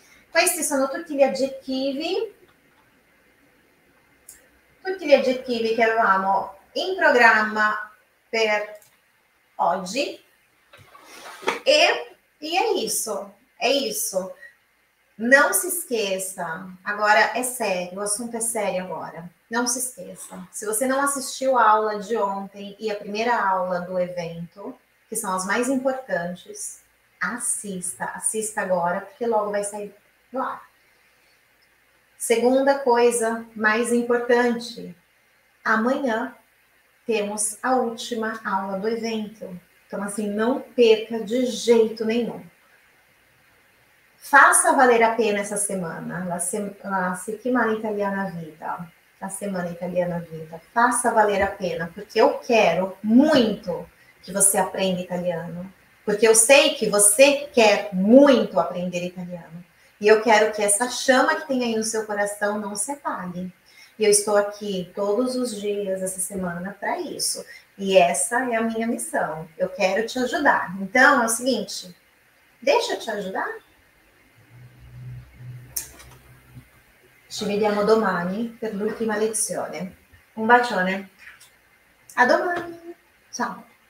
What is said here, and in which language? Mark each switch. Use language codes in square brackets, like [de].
[it] Questi sono tutti gli aggettivi che avevamo in programma per oggi. [pt] E è isso, è isso. Não se esqueça, agora é sério, o assunto é sério agora. Não se esqueça. Se você não assistiu a aula de ontem e a primeira aula do evento, que são as mais importantes, assista, assista agora, porque logo vai sair do ar. Segunda coisa mais importante, amanhã temos a última aula do evento. Então, assim, não perca de jeito nenhum. Faça valer a pena essa semana, [it] la settimana italiana vita, [pt] la settimana italiana vita. Faça valer a pena, porque eu quero muito que você aprenda italiano. Porque eu sei que você quer muito aprender italiano. E eu quero que essa chama que tem aí no seu coração não se apague. E eu estou aqui todos os dias essa semana para isso. E essa é a minha missão. Eu quero te ajudar. Então, é o seguinte, deixa eu te ajudar. [it] Ci vediamo domani per l'ultima lezione. Un bacione. A domani. Ciao.